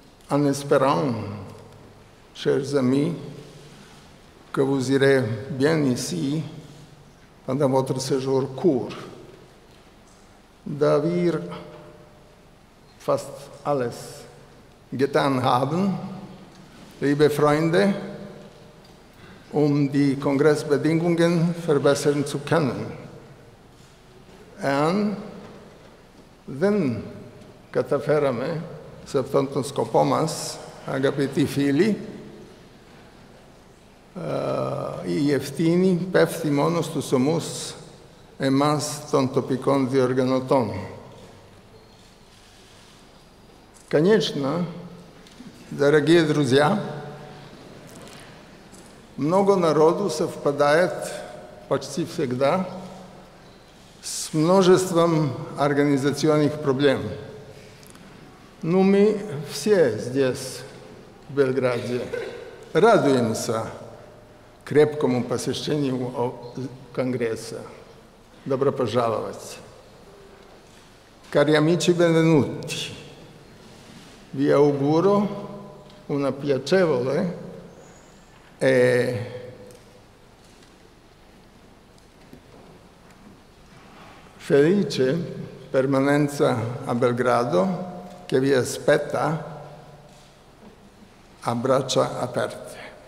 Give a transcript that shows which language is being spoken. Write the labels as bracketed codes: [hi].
[fr] En espérant, chers amis, que vous irez bien ici pendant votre séjour court. [de] Da wir fast alles getan haben, Liebe Freunde, die Kongressbedingungen verbessern zu können. [el] Εάν δεν καταφέραμε σε αυτόν τον σκοπό μας, αγαπητοί φίλοι, η ευθύνη πέφτει μόνο στους ομούς εμάς των τοπικών διοργανωτών. [ru] Конечно, дорогие друзья, Много народу съвпадает почти всегда с множеством организационных проблем. Но мы все здесь, в Белграде, радуемся крепкому посещению Конгресса. Добро пожаловать! [it] Cari amici, benvenuti. Vi auguro una piacevole e felice permanenza a Belgrado che vi aspetta a braccia aperte.